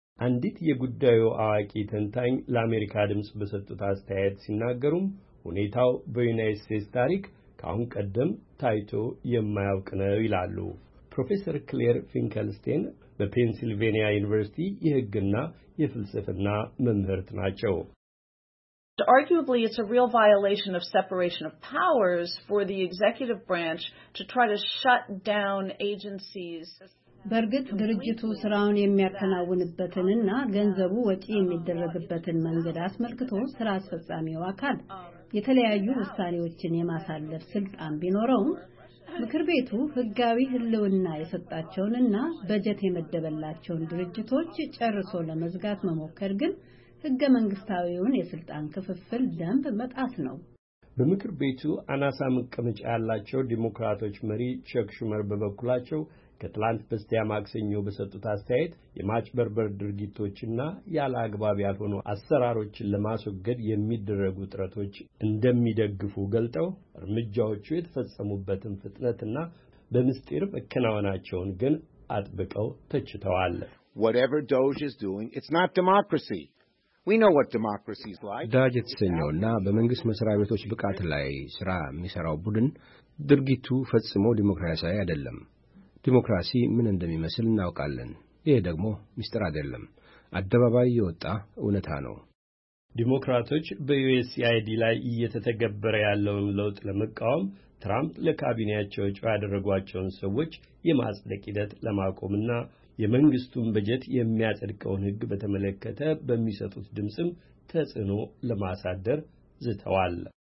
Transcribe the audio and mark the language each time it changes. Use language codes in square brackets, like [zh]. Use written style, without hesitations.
[am] አንዲት የጉዳዩ አዋቂ ተንታኝ ለአሜሪካ ድምጽ በሰጡት አስተያየት ሲናገሩም ሁኔታው በዩናይትድ ስቴትስ ታሪክ ካሁን ቀደም ታይቶ የማያውቅ ነው ይላሉ። ፕሮፌሰር ክሌር ፊንከልስቴን በፔንሲልቬኒያ ዩኒቨርሲቲ የሕግና የፍልስፍና መምህርት ናቸው። [en] Arguably, it's a real violation of separation of powers for the executive branch to try to shut down agencies. [am] በርግጥ ድርጅቱ ስራውን የሚያከናውንበትንና ገንዘቡ ወጪ የሚደረግበትን መንገድ አስመልክቶ ስራ አስፈጻሚው አካል የተለያዩ ውሳኔዎችን የማሳለፍ ስልጣን ቢኖረውም ምክር ቤቱ ህጋዊ ህልውና የሰጣቸውንና በጀት የመደበላቸውን ድርጅቶች ጨርሶ ለመዝጋት መሞከር ግን ህገ መንግስታዊውን የስልጣን ክፍፍል ደንብ መጣስ ነው። በምክር ቤቱ አናሳ መቀመጫ ያላቸው ዲሞክራቶች መሪ ቸክ ሹመር በበኩላቸው ከትላንት በስቲያ ማክሰኞ በሰጡት አስተያየት የማጭበርበር ድርጊቶችና ያለ አግባብ ያልሆኑ አሰራሮችን ለማስወገድ የሚደረጉ ጥረቶች እንደሚደግፉ ገልጠው እርምጃዎቹ የተፈጸሙበትን ፍጥነትና በምስጢር መከናወናቸውን ግን አጥብቀው ተችተዋል። [en] Whatever Doge is doing, it's not democracy. We know what democracy is like. [am] ዳጅ የተሰኘውና በመንግስት መስሪያ ቤቶች ብቃት ላይ ስራ የሚሰራው ቡድን ድርጊቱ ፈጽሞ ዲሞክራሲያዊ አይደለም። ዲሞክራሲ ምን እንደሚመስል እናውቃለን። ይሄ ደግሞ ምስጢር አይደለም። አደባባይ ይወጣ እውነታ ነው። ዲሞክራቶች በዩኤስአይዲ ላይ እየተተገበረ ያለውን ለውጥ ለመቃወም ትራምፕ ለካቢኔያቸው ጫ ያደረጓቸውን ሰዎች የማጽደቅ ሂደት ለማቆምና የመንግስቱን በጀት የሚያጸድቀውን ህግ በተመለከተ በሚሰጡት ድምጽም ተጽዕኖ ለማሳደር ዝተዋል።